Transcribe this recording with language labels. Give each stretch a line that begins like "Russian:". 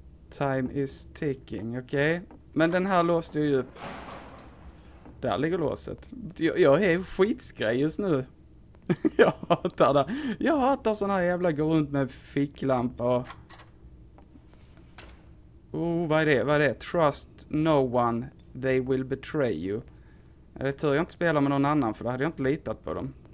Swedish: Time is ticking, okej. Okay. Men den här låste ju upp. Där ligger låset. Jag är skitskräg just nu. Jag hatar såna här jävla gå runt med ficklampa och... Oh, vad är det?
English: Trust no one, they will betray you.
Swedish: Är det tur jag inte spelar med någon annan, för då hade jag inte litat på dem.